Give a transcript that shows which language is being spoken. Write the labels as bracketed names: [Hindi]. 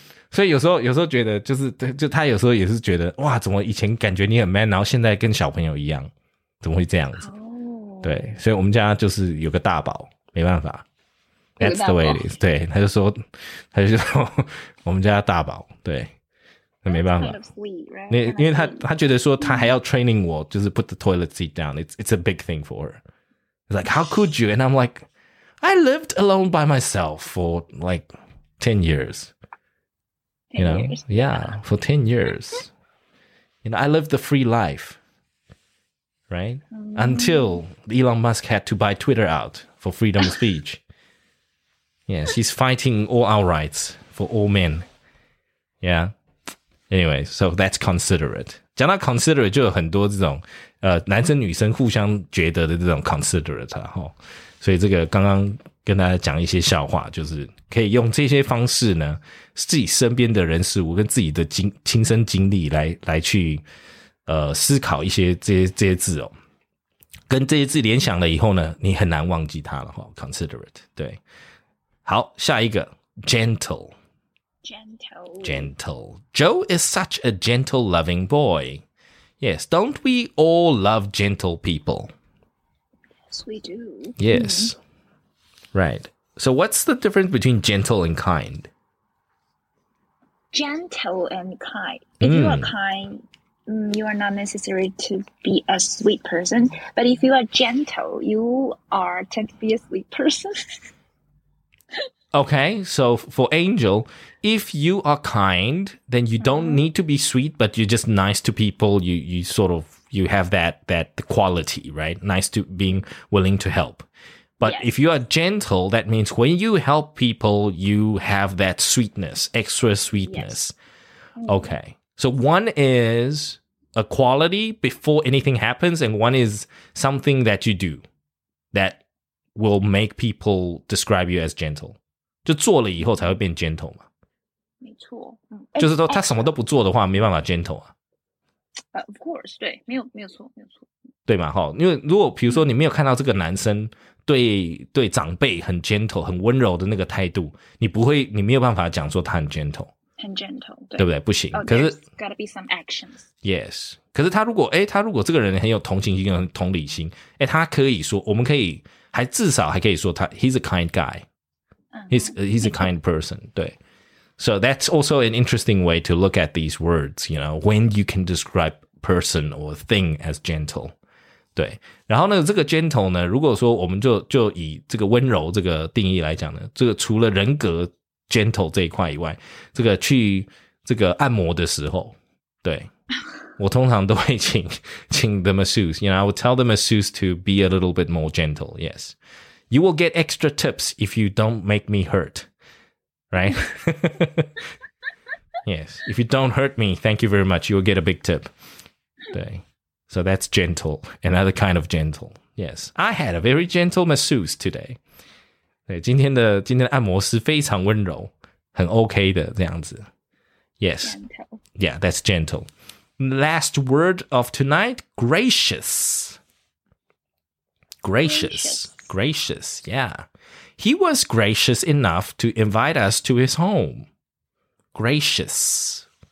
[Chinese] 所以有时候觉得就他有时候也是觉得哇，怎么以前感觉你很 man， 然后现在跟小朋友一样，怎么会这样子？ [English] Oh. [Chinese] 对，所以我们家就是有个大宝，没办法。 [English] That's the way it is. [Chinese] 对，他就说我们家大宝，对。没办法 [English] kind of sweet, right? [Chinese] 因为他觉得说他还要 training 我就是 [English] put the toilet seat down. It's a big thing for her. It's like, how could you? And I'm like, I lived alone by myself for like 10 years. 10 you know? years. Yeah, for 10 years. You know, I lived the free life. Right? Until Elon Musk had to buy Twitter out for freedom of speech. Yeah, she's fighting all our rights for all men. Yeah. Anyway, so that's considerate. [Chinese] 讲到 considerate 就有很多这种男生女生互相觉得的这种 considerate 啊，齁。所以这个刚刚跟大家讲一些笑话，就是可以用这些方式呢，自己身边的人事物跟自己的亲身经历来去思考一些这些字哦。跟这些字联想了以后呢，你很难忘记它了，齁。considerate, 对。好，下一个 gentle. [English] Gentle. Joe is such a gentle, loving boy. Yes, don't we all love gentle people? Yes, we do. Yes.、Mm-hmm. Right. So what's the difference between gentle and kind? Gentle and kind. If you are kind, you are not necessary to be a sweet person. But if you are gentle, you are tend to be a sweet person. Okay, so for Angel, if you are kind, then you don't need to be sweet, but you're just nice to people. You sort of, you have that quality, right? Nice to being willing to help. But、yes. if you are gentle, that means when you help people, you have that sweetness, extra sweetness.、 Yes. Okay, so one is a quality before anything happens, and one is something that you do that will make people describe you as gentle. [Chinese] 就做了以后才会变 gentle 嘛，没错、就是说他什么都不做的话，没办法 gentle 啊。 [English] Of course， [Chinese] 对，没有错，对嘛哈？因为如果比如说你没有看到这个男生对长辈很 gentle、很温柔的那个态度，你没有办法讲说他很 gentle，很 gentle，对不对？不行。可是 [English] gotta be some actions。 [Chinese] Yes， 可是他如果这个人很有同情心、很同理心，他可以说，我们可以还至少还可以说他 [English] he's a kind guy。 He's a kind person, [Chinese] 对。 [English] So that's also an interesting way to look at these words, you know, when you can describe person or thing as gentle, [Chinese] 对。然后呢，这个 gentle 呢，如果说我们就以这个温柔这个定义来讲呢，这个除了人格 gentle 这一块以外，这个去这个按摩的时候，对，我通常都会请 the masseuse, you know, [English] I would tell the masseuse to be a little bit more gentle, [Chinese] yes. [English] You will get extra tips if you don't make me hurt, right? Yes, if you don't hurt me, thank you very much. You will get a big tip. [Chinese] 对, [English] so that's gentle, another kind of gentle. Yes, I had a very gentle masseuse today. [Chinese] 对, 今天的按摩师非常温柔，很 OK 的这样子。 [English] Yes, yeah, that's gentle. Last word of tonight, gracious. Gracious. Gracious, yeah. He was gracious enough to invite us to his home. Gracious.